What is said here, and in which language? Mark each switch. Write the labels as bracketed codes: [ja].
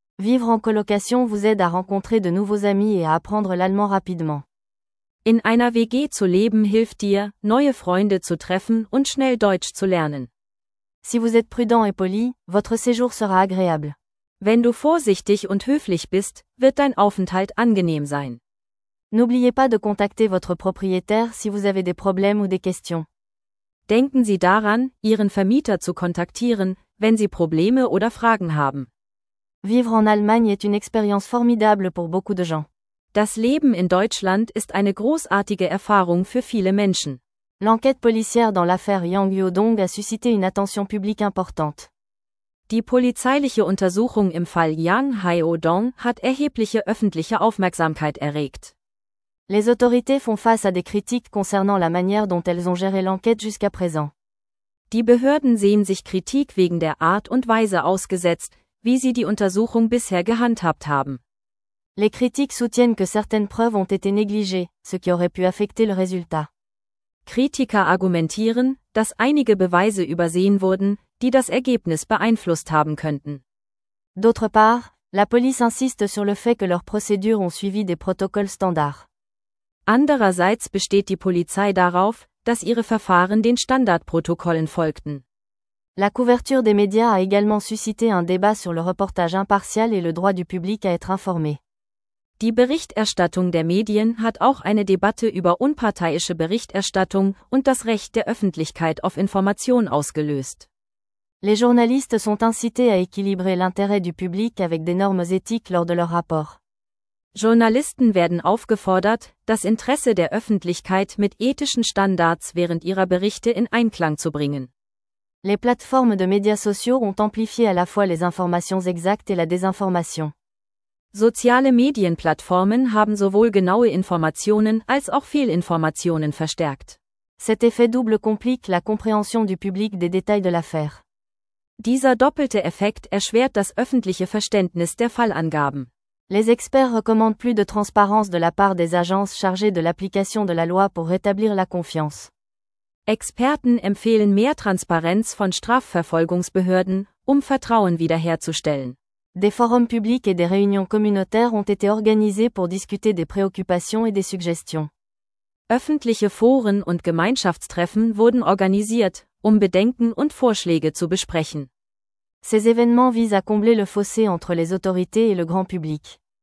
[fr] Vivre en colocation vous aide à rencontrer de nouveaux amis et à apprendre l'allemand rapidement. [de] In einer WG zu leben hilft dir, neue Freunde zu treffen und schnell Deutsch zu lernen. [fr] Si vous êtes prudent et poli, votre séjour sera agréable. [de] Wenn du vorsichtig und höflich bist, wird dein Aufenthalt angenehm sein. [fr] N'oubliez pas de contacter votre propriétaire si vous avez des problèmes ou des questions. [de] Denken Sie daran, Ihren Vermieter zu kontaktieren, wenn Sie Probleme oder Fragen haben. [fr] Vivre en Allemagne est une expérience formidable pour beaucoup de gens. [de] Das Leben in Deutschland ist eine großartige Erfahrung für viele Menschen. [fr] L'enquête policière dans l'affaire Yang Yodong a suscité une attention publique importante. [de] Die polizeiliche Untersuchung im Fall Yang Haiodong hat erhebliche öffentliche Aufmerksamkeit erregt. [fr] Les autorités font face à des critiques concernant la manière dont elles ont géré l'enquête jusqu'à présent. [de] Die Behörden sehen sich Kritik wegen der Art und Weise ausgesetzt, wie sie die Untersuchung bisher gehandhabt haben. [fr] Les critiques soutiennent que certaines preuves ont été négligées, ce qui aurait pu affecter le résultat. [de] Kritiker argumentieren, dass einige Beweise übersehen wurden, die das Ergebnis beeinflusst haben könnten. [fr] D'autre part, la police insiste sur le fait que leurs procédures ont suivi des protocoles standards. [de] Andererseits besteht die Polizei darauf, dass ihre Verfahren den Standardprotokollen folgten. [fr] La couverture des médias a également suscité un débat sur le reportage impartial et le droit du public à être informé. [de] Die Berichterstattung der Medien hat auch eine Debatte über unparteiische Berichterstattung und das Recht der Öffentlichkeit auf Information ausgelöst. [fr] Les journalistes sont incités à équilibrer l'intérêt du public avec des normes éthiques lors de leurs rapports. [de] Journalisten werden aufgefordert, das Interesse der Öffentlichkeit mit ethischen Standards während ihrer Berichte in Einklang zu bringen. [fr] Les plateformes de médias sociaux ont amplifié à la fois les informations exactes et la désinformation. [de] Soziale Medienplattformen haben sowohl genaue Informationen als auch Fehlinformationen verstärkt. [fr] Cet effet double complique la compréhension du public des détails de l'affaire. [de] Dieser doppelte Effekt erschwert das öffentliche Verständnis der Fallangaben. [fr] Les experts recommandent plus de transparence de la part des agences chargées de l'application de la loi pour rétablir la confiance. [de] Experten empfehlen mehr Transparenz von Strafverfolgungsbehörden, um Vertrauen wiederherzustellen. [fr] Des forums publics et des réunions communautaires ont été organisés pour discuter des préoccupations et des suggestions. [de] Öffentliche Foren und Gemeinschaftstreffen wurden organisiert, um Bedenken und Vorschläge zu besprechen. [fr] Ces événements visent à combler le fossé entre les autorités et le grand public.